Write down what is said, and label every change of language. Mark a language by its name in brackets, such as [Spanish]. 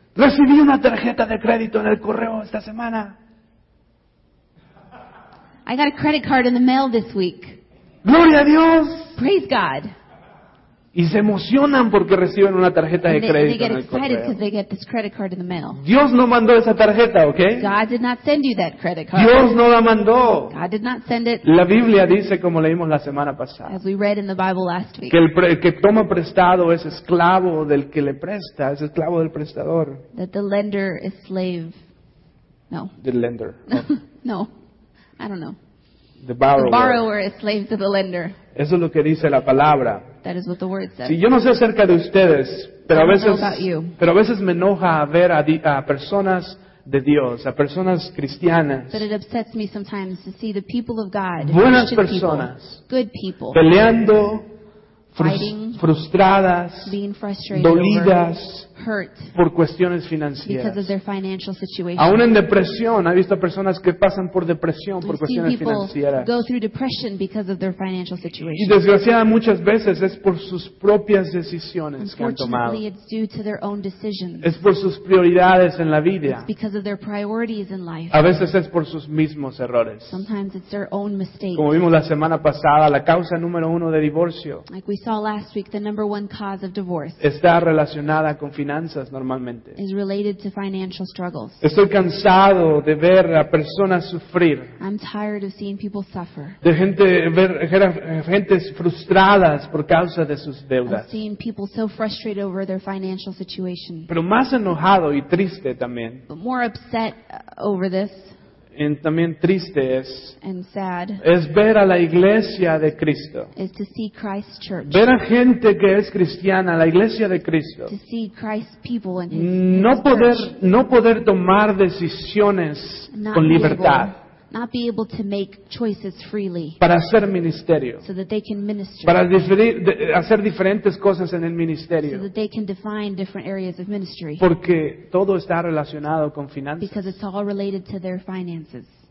[Spanish] Recibí una tarjeta de crédito en el correo esta semana. [English] I got a credit card in the mail this week. [Spanish] Gloria a Dios. [English] Praise God. [Spanish] Y se emocionan porque reciben una tarjeta de crédito en el correo. [English] They get excited because they get this credit card in the mail. [Spanish] Dios no mandó esa tarjeta, ¿okay? [English] God did not send you that credit card. [Spanish] Dios no la mandó. [English] God did not send it. [Spanish] La Biblia dice, como leímos la semana pasada, [English] as we read in the Bible last week, [Spanish] que el que toma prestado es esclavo del que le presta, es esclavo del prestador. [English] That the lender is slave. No. The lender. No. I don't know. The borrower. The borrower is slave to the lender. [Spanish] Eso es lo que dice la palabra. [English] That is what the word says. [Spanish] Sí, yo no sé acerca de ustedes, pero a veces me enoja ver a personas de Dios, a personas cristianas. [English] But it upsets me sometimes to see the people of God, [Spanish] buenas personas, [English] good people, [Spanish] peleando, frustradas, [English] being frustrated, [Spanish] dolidas, [English] hurt [Spanish] por cuestiones financieras. [English] Because of their financial situation. [Spanish] Aún en depresión, he visto personas que pasan por depresión por cuestiones financieras. [English] Go through depression because of their financial situation. [Spanish] Y desgraciada muchas veces es por sus propias decisiones que han tomado. [English] Unfortunately, it's due to their own decisions. [Spanish] Es por sus prioridades en la vida. [English] It's because of their priorities in life. [Spanish] A veces es por sus mismos errores. [English] Sometimes it's their own mistakes. [Spanish] Como vimos la semana pasada, la causa número uno de divorcio. [English] Like we saw last week, the number one cause of divorce. [Spanish] Está relacionada con finanzas normalmente. [English] Is related to financial struggles. [Spanish] Estoy cansado de ver a personas sufrir. [English] I'm tired of seeing people suffer. [Spanish] De ver gente frustradas por causa de sus deudas. [English] I'm seeing people so frustrated over their financial situation. [Spanish] Pero más enojado y triste también. [English] But more upset over this. [Spanish] Y también triste es, [English] and sad, [Spanish] es ver a la iglesia de Cristo. [English] Is to see Christ's church. [Spanish] Ver a gente que es cristiana, la iglesia de Cristo. [English] To see Christ's people in his, [Spanish] no poder tomar decisiones [English] not [Spanish] con libertad. [English] Not be able to make choices freely. [Spanish] Para hacer ministerio. [English] So that they can minister. [Spanish] Para hacer diferentes cosas en el ministerio. [English] So that they can define different areas of ministry. [Spanish] Porque todo está relacionado con finanzas. [English] Because it's all related to their finances.